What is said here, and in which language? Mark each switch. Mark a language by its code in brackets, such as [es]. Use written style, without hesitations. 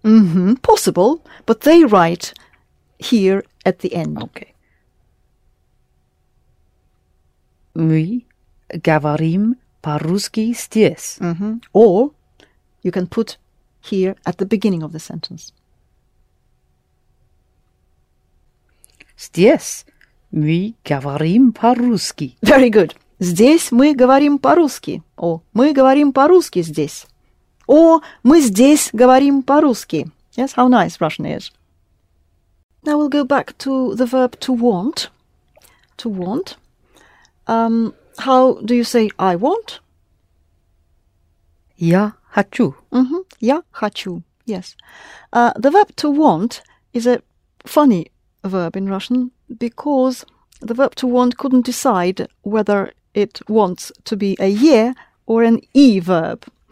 [en] Mm-hmm, possible, but they write here at the end. Okay. [ru] Мы говорим по-русски здесь. Mm-hmm. [en] Or you can put here at the beginning of the sentence. [ru] Здесь мы говорим по-русски. [en] Very good. [ru] Здесь мы говорим по-русски. Or мы говорим по-русски здесь. Or, мы здесь говорим по-русски. [en] Yes, how nice Russian is. Now we'll go back to the verb to want. To want. How do you say I want? [ru] Я хочу. Mm-hmm. Я хочу. Yes. [en] The verb to want is a funny verb in Russian because the verb to want couldn't decide whether it wants to be a е or an и verb.